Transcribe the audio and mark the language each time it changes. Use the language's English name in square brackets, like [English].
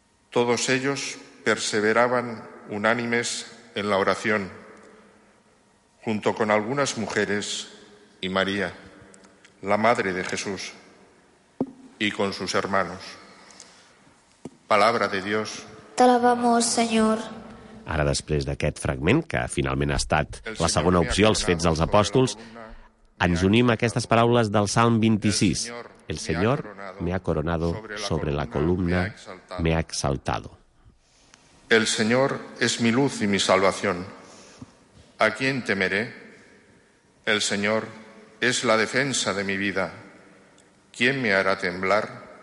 [Spanish] Todos ellos perseveraban unánimes en la oración, junto con algunas mujeres y María, la madre de Jesús, y con sus hermanos. Palabra de Dios. Te alabamos, Señor. [Catalan] Ara, després d'aquest fragment, que finalment ha estat la segona opció, els Fets dels Apòstols, ens unim a aquestes paraules del Salm 26. [Spanish] El Señor me ha coronado sobre la columna, me ha exaltado. El Señor es mi luz y mi salvación. ¿A quién temeré? El Señor es la defensa de mi vida. ¿Quién me hará temblar?